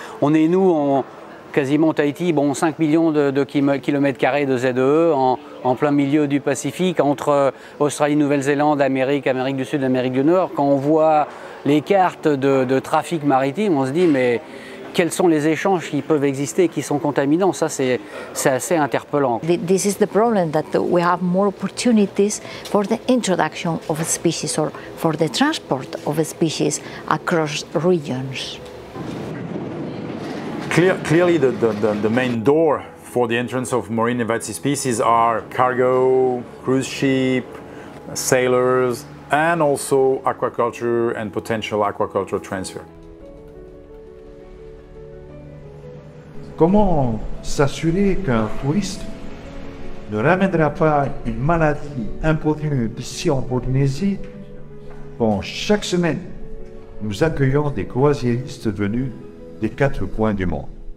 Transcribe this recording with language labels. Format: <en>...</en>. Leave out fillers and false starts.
<fr>On est nous en quasiment Tahiti, bon 5 millions de kilomètres carrés de ZEE en plein milieu du Pacifique entre Australie, Nouvelle-Zélande, Amérique, Amérique du Sud, Amérique du Nord. Quand on voit les cartes de trafic maritime, on se dit mais quels sont les échanges qui peuvent exister et qui sont contaminants? Ça, c'est assez interpellant.</fr> <en>This is the problem that we have more opportunities for the introduction of species or for the transport of species across regions. Clearly, the main door for the entrance of marine invasive species are cargo, cruise ship, sailors, and also aquaculture and potential aquaculture transfer.</en> <fr>Comment s'assurer qu'un touriste ne ramènera pas une maladie importée d'ici en Polynésie? Bon, chaque semaine, nous accueillons des croisiéristes venus des quatre coins du monde.</fr>